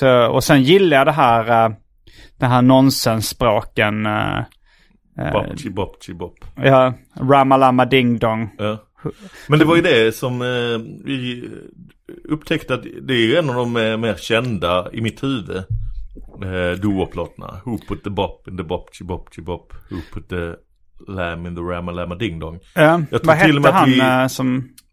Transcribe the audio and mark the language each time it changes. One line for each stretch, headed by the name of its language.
Swedish: Och sen gillar jag det här nonsensspråken. Bop-chi-bop-chi-bop. Ja, ramalama-ding-dong. Ja. Men det var ju det som vi upptäckte, att det är ju en av de mer kända i mitt huvud.
English: Doo-wop-låtarna. Who put the bop in the bop-chi-bop-chi-bop? Who put the Lamb in the Ram-a-Lamb-a-Ding-Dong.
Swedish: Jag tror vad till hette med att han som...